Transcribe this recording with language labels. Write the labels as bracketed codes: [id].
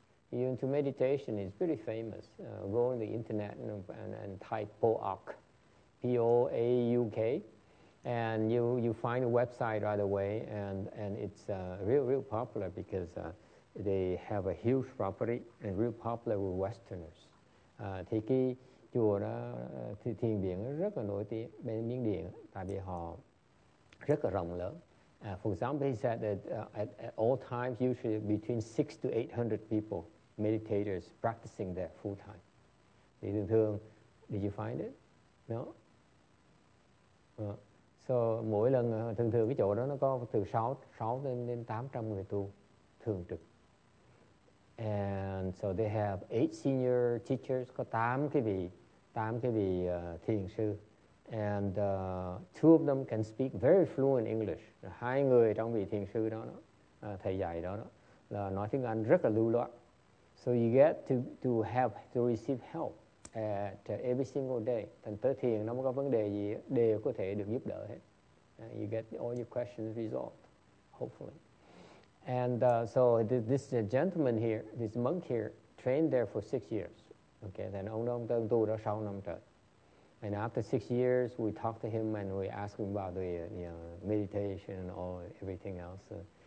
[en] You into meditation, it's pretty famous. Go on the internet and type Po Ok, P-O-A-U-K, and you find a website right away, and it's real popular because they have a huge property and real popular with Westerners. [vi] Thì cái chùa đó, thiền viện rất là nổi tiếng bên Miến Điện, tại vì họ rất là rộng lớn. [en] For example, he said that at all times, usually between 600 to 800 people, meditators practicing there full time. [vi] Thì thường thường, [en] did you find it? No. [vi] So mỗi lần thường thường cái chỗ đó nó có từ 600 to 800 người tu thường trực. [en] And so they have 8 senior teachers, [vi] có 8 cái vị thiền sư. [en] And 2 of them can speak very fluent English. [vi] Hai người trong vị thiền sư đó, thầy dạy đó, là nói tiếng Anh rất là lưu loát. [en] So you get to have to receive help at every single day. [vi] Thành tới thiền nó không có vấn đề gì, đều có thể được giúp đỡ hết. [en] You get all your questions resolved, hopefully. And so this gentleman here, this monk here, trained there for 6 years. [vi] Okay, then ông đã tu đó 6 năm trời. [en] And after 6 years, we talked to him and we asked him about the meditation and all everything else.